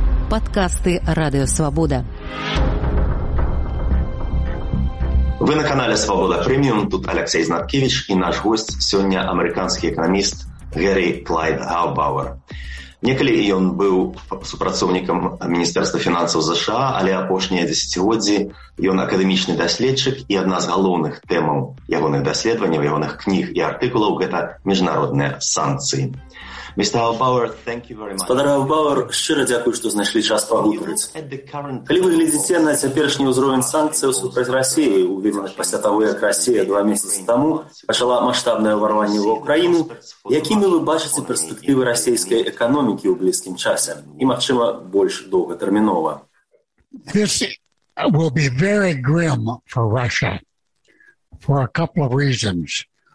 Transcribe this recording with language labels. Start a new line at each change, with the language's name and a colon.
Russian: подкасты «Радио Свобода». Вы на канале «Свобода Премиум». Тут Алексей Знаткевич и наш гость сегодня американский экономист Гэри Клайд Гаубауэр.
Belarusian: Некалі ён быў супрацоўнікам Міністэрства фінансаў ЗША, але апошнія дзесяцігоддзі ён акадэмічны даследчык, і адна з галоўных тэмаў ягоных даследаванняў, ягоных кніг і артыкулаў – гэта міжнародныя санкцыі.
English: Mr. Gaubauer, thank you very much.
Belarusian: Спадар Гаубауэр, шчыра дзякую, што знайшлі час пагутарыць. Калі вы глядзіце на цяперашні ўзровень санкцыяў супраць Расіі, увіднаць пасля таго, як Расія два месяцы таму пачала маштабнае ўварванне ў Украіну, якімі вы бачыце перспектывы расійскай эканомікі ў блізкім часе і, магчыма, больш доўгатэрмінова?
English: This will be very grim for Russia for a couple of reasons.